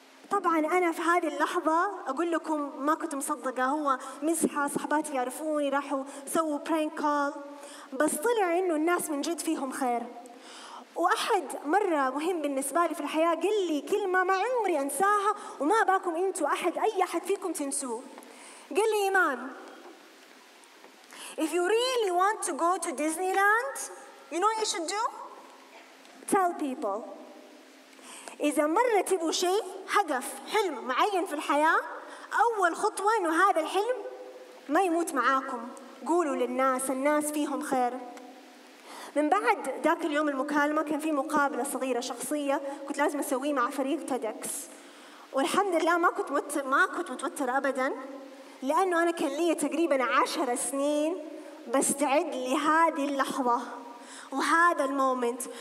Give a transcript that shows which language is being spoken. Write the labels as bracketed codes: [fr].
[ar] طبعاً أنا في هذه اللحظة أقول لكم ما كنت مصدقة، هو مزحة، صحباتي يعرفوني، راحوا سووا برانك كول، بس طلع إنه الناس من جد فيهم خير. وأحد مرة مهم بالنسبة لي في الحياة قال لي كلمة ما عمري أنساها، وما باكم أنتوا أحد، أي أحد فيكم تنسوه. قال لي إيمان، [en] If you really want to go to Disneyland, you know what you should do? Tell people. [ar] إذا مرة تبوا شيء، هدف، حلم معين في الحياة، أول خطوة إنه هذا الحلم ما يموت معاكم. قولوا للناس، الناس فيهم خير. من بعد ذاك اليوم المكالمة كان في مقابلة صغيرة شخصية كنت لازم أسويه مع فريق تيدكس، والحمد لله ما كنت متوتر أبدا، لأنه أنا كان لي تقريبا 10 سنين بستعد لهذه اللحظة وهذا المومنت.